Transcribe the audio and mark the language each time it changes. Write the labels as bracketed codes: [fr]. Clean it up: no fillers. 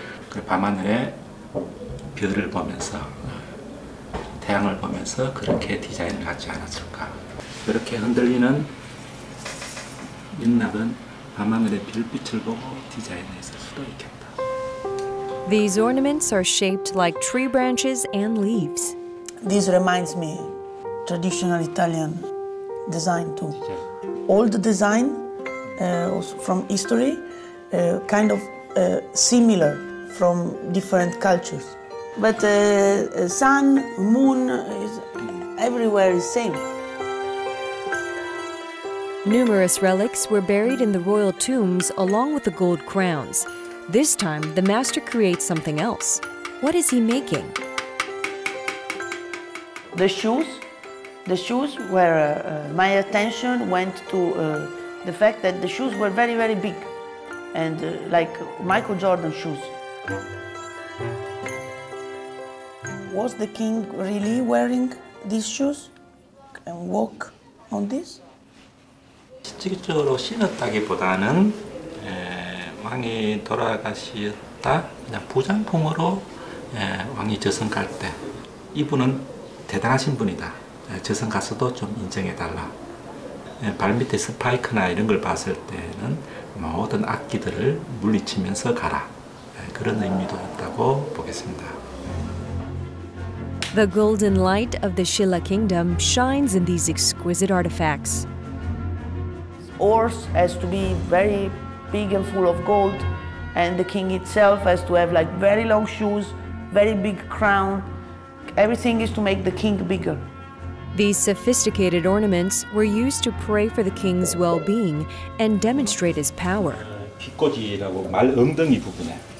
[ko] 그 밤하늘에 별을 보면서, 태양을 보면서 그렇게 디자인을 하지 않았을까. 이렇게 흔들리는 민낙은 밤하늘의 별빛을 보고 디자인했을 수도 있겠다. [en] These ornaments are shaped like tree branches and leaves. This reminds me traditional Italian design too. Old design from history, kind of similar from different cultures. But sun, moon, is everywhere is same. Numerous relics were buried in the royal tombs along with the gold crowns. This time, the master creates something else. What is he making? The shoes were my attention went to the fact that the shoes were very, very big. And like Michael Jordan shoes. Was the king really wearing these shoes and walk on this? [ko] 실질적으로 신었다기보다는 왕이 돌아가셨다. 그냥 부장품으로 왕이 저승 갈 때 이분은 대단하신 분이다. 저승 가서도 좀 인정해달라. 발밑에 스파이크나 이런 걸 봤을 때는 모든 악기들을 물리치면서 가라. 그런 의미도 있다고 보겠습니다. [en] The golden light of the Silla kingdom shines in these exquisite artifacts. Ores has to be very big and full of gold, and the king itself has to have like very long shoes, very big crown. Everything is to make the king bigger. These sophisticated ornaments were used to pray for the king's well-being and demonstrate his power. [ko] 귀꽂이라고 말 엉덩이 부분에